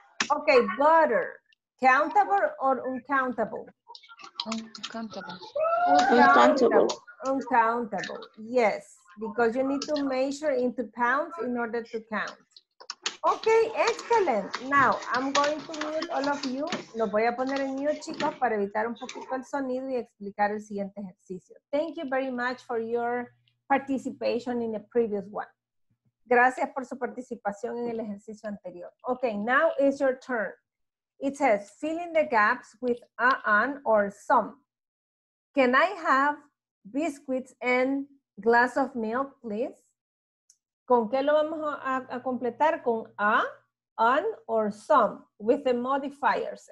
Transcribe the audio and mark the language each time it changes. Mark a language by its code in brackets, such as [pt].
[en] Okay, butter. Countable or uncountable? Uncountable. Yes, because you need to measure into pounds in order to count. Okay, excellent. Now, I'm going to mute all of you. [es] Lo voy a poner en mute, chicos, para evitar un poquito el sonido y explicar el siguiente ejercicio. [en] Thank you very much for your participation in the previous one. [es] Gracias por su participación en el ejercicio anterior. [en] Okay, now is your turn. It says, fill in the gaps with an or some. Can I have biscuits and glass of milk, please? [es] ¿Con qué lo vamos a completar? Con an [en] or some, with the modifiers.